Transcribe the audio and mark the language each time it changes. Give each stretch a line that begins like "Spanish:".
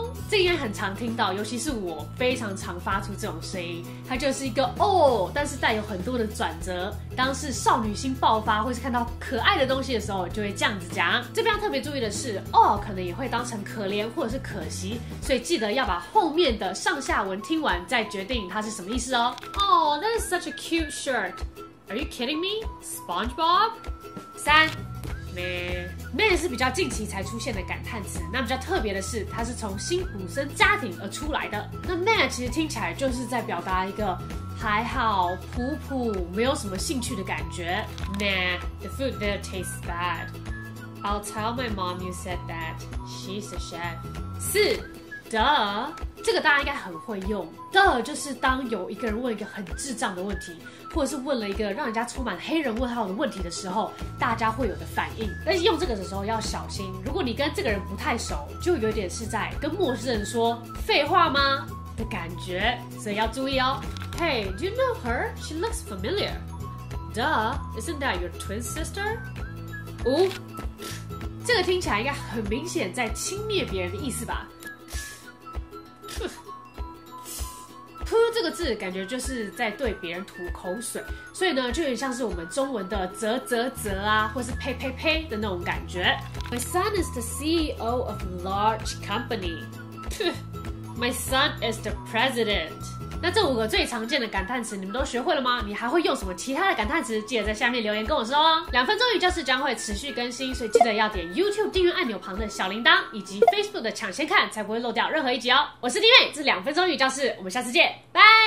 Chinese: 这应该很常听到，尤其是我非常常发出这种声音，它就是一个哦，但是带有很多的转折。当是少女心爆发或是看到可爱的东西的时候，就会这样子讲。这边要特别注意的是，哦可能也会当成可怜或者是可惜，所以记得要把后面的上下文听完再决定它是什么意思哦。
English: Oh, that is such a cute shirt. Are you kidding me? SpongeBob?
Chinese: 三Man 是比较近期才出现的感叹词，那比较特别的是，它是从辛普森家庭而出来的。那 Man 其实听起来就是在表达一个还好、普普、没有什么兴趣的感觉。
English: Man, the food there tastes bad. I'll tell my mom you said that. She's a chef.
Chinese: 四 ，Duh， 这个大家应该很会用。 Duh 就是当有一个人问一个很智障的问题，或者是问了一个让人家充满黑人问号的问题的时候，大家会有的反应。但是用这个的时候要小心，如果你跟这个人不太熟，就有点是在跟陌生人说废话吗的感觉，所以要注意哦。
English: Hey, do you know her? She looks familiar. Duh, isn't that your twin sister?
Chinese: 五，这个听起来应该很明显在轻蔑别人的意思吧。噗这个字感觉就是在对别人吐口水，所以呢就有点像是我们中文的啧啧啧啊，或是呸呸呸的那种感觉。
English: My son is the CEO of a large company. My son is the president.
Chinese: 那这五个最常见的感叹词你们都学会了吗？你还会用什么其他的感叹词？记得在下面留言跟我说哦。两分钟语教室将会持续更新，所以记得要点 YouTube 订阅按钮旁的小铃铛，以及 Facebook 的抢先看，才不会漏掉任何一集哦。我是 T 妹，这是两分钟语教室，我们下次见，拜。